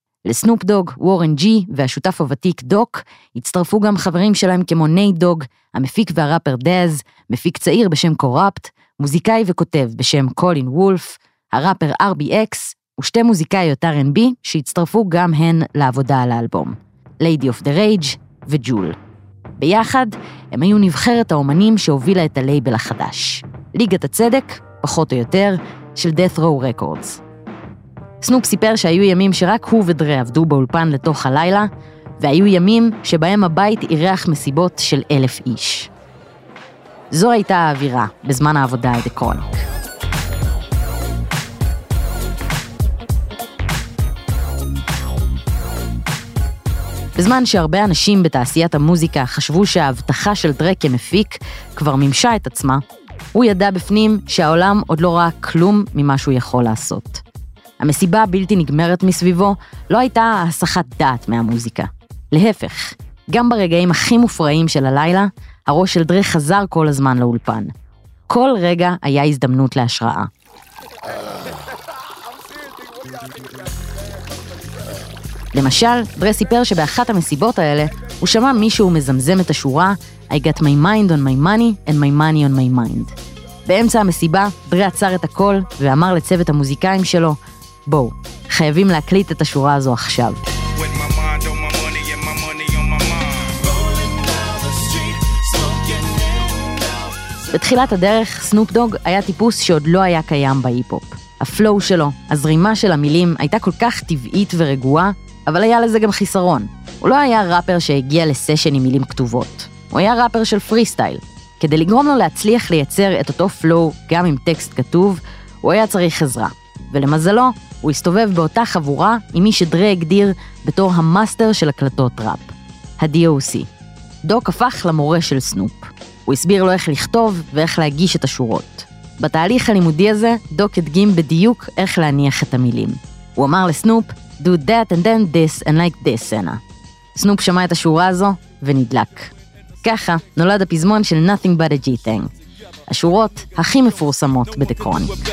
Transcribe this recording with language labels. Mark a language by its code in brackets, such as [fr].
[he] לסנופ דוג, וורן ג'י והשותף הוותיק דוק הצטרפו גם חברים שלהם כמו ניי דוג, המפיק והראפר דאז, מפיק צעיר בשם קוראפט, מוזיקאי וכותב בשם קולין וולף, הראפר RBX ושתי מוזיקאיות R&B שהצטרפו גם הן לעבודה על האלבום. Lady of the Rage וג'ול. ביחד הם היו נבחרת האומנים שהובילה את הלייבל החדש. ליגת הצדק, פחות או יותר, של Death Row Records. סנופ סיפר שהיו ימים שרק הוא ודרי עבדו באולפן לתוך הלילה, והיו ימים שבהם הבית עירח מסיבות של 1,000 איש. זו הייתה האווירה בזמן העבודה על דקרוניק. בזמן שהרבה אנשים בתעשיית המוזיקה חשבו שההבטחה של דרק כמפיק כבר מימשה את עצמה, הוא ידע בפנים שהעולם עוד לא ראה כלום ממה שהוא יכול לעשות. המסיבה הבלתי נגמרת מסביבו לא הייתה הסחת דעת מהמוזיקה. להפך, גם ברגעים הכי מופרעים של הלילה, הראש של דרק חזר כל הזמן לאולפן. כל רגע היה הזדמנות להשראה. למשל, דרי סיפר שבאחת המסיבות האלה הוא שמע מישהו מזמזם את השורה [en] I got my mind [he] on my money and my money on my mind. באמצע המסיבה, דרי עצר את הכל ואמר לצוות המוזיקאים שלו בואו, חייבים להקליט את השורה הזו עכשיו. בתחילת הדרך, סנופ דוג היה טיפוס שעוד לא היה קיים בהיפ-הופ. הפלואו שלו, הזרימה של המילים הייתה כל כך טבעית ורגועה אבל היה לזה גם חיסרון. הוא לא היה ראפר שהגיע לסשן עם מילים כתובות. הוא היה ראפר של פריסטייל. כדי לגרום לו להצליח לייצר את אותו פלואו גם עם טקסט כתוב, הוא היה צריך עזרה. ולמזלו, הוא הסתובב באותה חבורה עם מי שדרי הגדיר בתור המאסטר של הקלטות ראפ. הדי-או-סי. דוק הפך למורה של סנופ. הוא הסביר לו איך לכתוב ואיך להגיש את השורות. בתהליך הלימודי הזה, דוק הדגים בדיוק איך להניח את המילים. הוא אמר לסנופ, [en] Do that and then this and like this, Senna. [he] סנופ שמע את השורה הזו ונדלק. ככה נולד הפזמון של Nothing But a G-Tang. השורות הכי מפורסמות בדקרוניק.